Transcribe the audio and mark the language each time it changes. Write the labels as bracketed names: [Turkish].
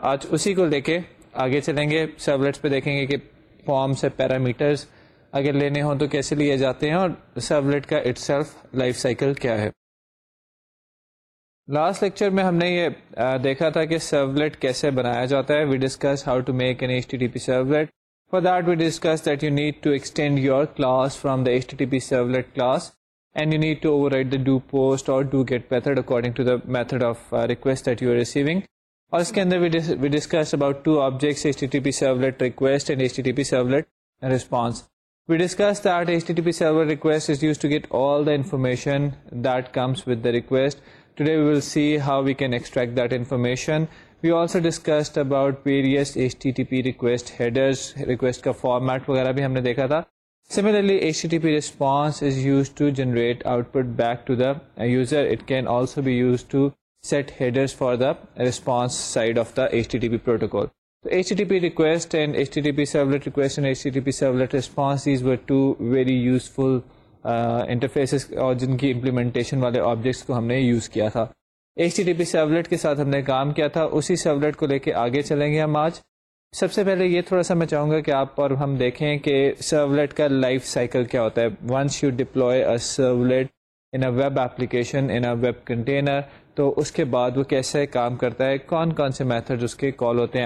[Urdu] آج اسی کو لے کے آگے چلیں گے. سرولیٹس پہ دیکھیں گے کہ فارم سے پیرامیٹرز اگر لینے ہوں تو کیسے لیے جاتے ہیں, اور سرولیٹ کا اٹ سیلف لائف سائیکل کیا ہے. لاسٹ لیکچر میں ہم نے یہ دیکھا تھا کہ سرولیٹ کیسے بنایا جاتا ہے. [English] We discuss how to make an H T T P servlet. For that, we discussed that you need to extend your class from the HTTP servlet class and you need to override the do post or do get method according to the method of request that you are receiving. And in that, we discussed about two objects, HTTP servlet request and HTTP servlet response. We discussed that HTTP servlet request is used to get all the information that comes with the request. Today, we will see how we can extract that information. We also discussed about various HTTP request headers, [Urdu] request ka format wagaira bhi humne dekha tha. [English] Similarly, HTTP response is used to generate output back to the user. It can also be used to set headers for the response side of the HTTP protocol. So, HTTP request and HTTP servlet request and HTTP servlet response, these were two very useful interfaces [Urdu] aur jin ki implementation wale objects ko humne use kiya tha. H T T P servlet کے ساتھ ہم نے کام کیا تھا, اسی servlet کو لے کے آگے چلیں گے ہم آج. سب سے پہلے یہ تھوڑا سا میں چاہوں گا کہ آپ اور ہم دیکھیں کہ سرولیٹ کا لائف سائیکل کیا ہوتا ہے. [English] once you deploy a servlet in a web application in a web container, [Urdu] تو اس کے بعد وہ کیسے کام کرتا ہے, کون کون سے میتھڈ اس کے کال ہوتے ہیں.